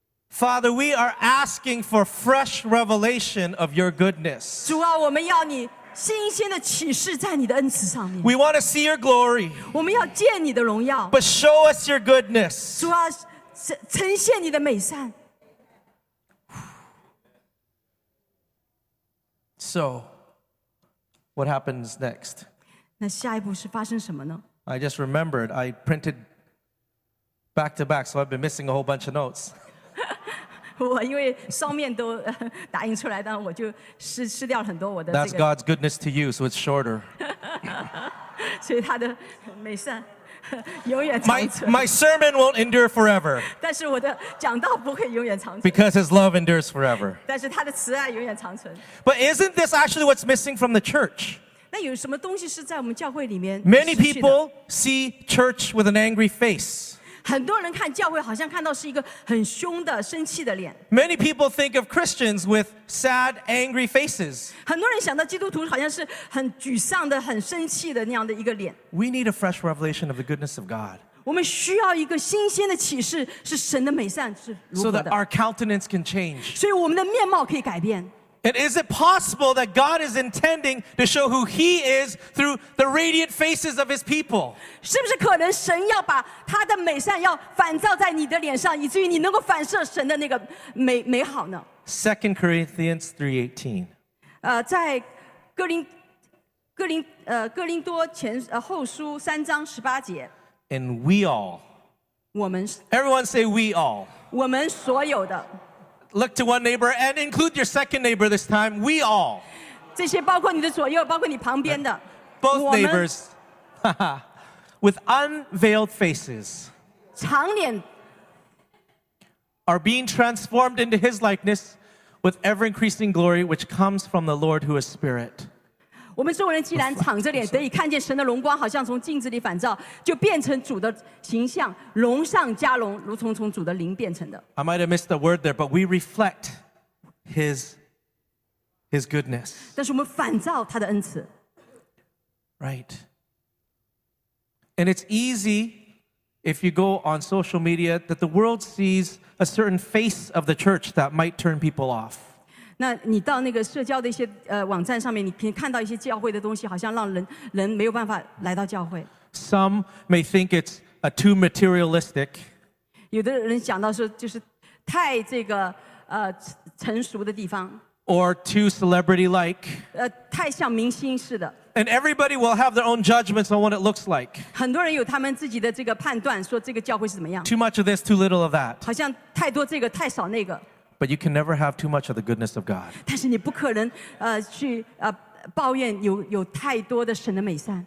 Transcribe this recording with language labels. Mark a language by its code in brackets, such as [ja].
[en] Father, we are asking for fresh revelation of your goodness. [zh] 主啊，我们要你新鲜的启示在你的恩慈上面。 [en] We want to see your glory. [zh] 我们要见你的荣耀。 [en] But show us your goodness. [zh] 主啊，呈现你的美善。 [en] So. What happens next? [zh] 那下一步是发生什么呢? [en] I just remembered, I printed back to back, so I've been missing a whole bunch of notes. [zh] 我因为双面都打印出来，但我就失掉很多我的这个。 [en] That's God's goodness to you, so it's shorter. [zh] 所以他的美善永远长存。 [en] My sermon won't endure forever. [zh] 但是我的讲道不会永远长存。 [en] Because His love endures forever. [zh] 但是他的慈爱永远长存。 [en] But isn't this actually what's missing from the church? [zh] 那有什么东西是在我们教会里面失去的? [en] Many people see church with an angry face. [zh] 很多人看教会好像看到是一个很凶的、生气的脸。 [en] Many people think of Christians with sad, angry faces. [zh] 很多人想到基督徒好像是很沮丧的、很生气的那样的一个脸。 [en] We need a fresh revelation of the goodness of God. [zh] 我们需要一个新鲜的启示，是神的美善是如何的。 [en] So that our countenance can change. [zh] 所以我们的面貌可以改变。 [en] And is it possible that God is intending to show who He is through the radiant faces of His people? [zh] 是不是可能神要把他的美善要反照在你的脸上，以至于你能够反射神的那个美好呢？ [en] 2 Corinthians 3:18. [zh] 在哥林多后书三章十八节。 [en] And we all. [zh] 我们。 [en] Everyone say we all. [zh] 我们所有的。 [en] Look to one neighbor and include your second neighbor this time. We all. [zh] 这些包括你的左右，包括你旁边的。 [en] Both neighbors, with unveiled faces, [zh] 长脸 [en] are being transformed into His likeness with ever increasing glory, which comes from the Lord who is Spirit. [zh] 我们所有人既然敞着脸，得以看见神的荣光，好像从镜子里反照，就变成主的形象，荣上加荣，如同从主的灵变成的。 [en] I might have missed the word there, but we reflect His goodness. [zh] 但是我们反照他的恩慈。 [en] Right. And it's easy if you go on social media that the world sees a certain face of the church that might turn people off. [zh] 那你到那个社交的一些网站上面，你看到一些教会的东西，好像让人没有办法来到教会。 [en] Some may think it's too materialistic. [zh] 有的人想到说就是太这个成熟的地方。 [en] Or too celebrity-like. [zh] 太像明星似的。 [en] And everybody will have their own judgments on what it looks like. [zh] 很多人有他们自己的这个判断, 说这个教会是怎么样。 [en] Too much of this, too little of that. [zh] 好像太多这个, 太少那个。 [en] But you can never have too much of the goodness of God. [zh] 但是你不可能, 去抱怨有太多的神的美善。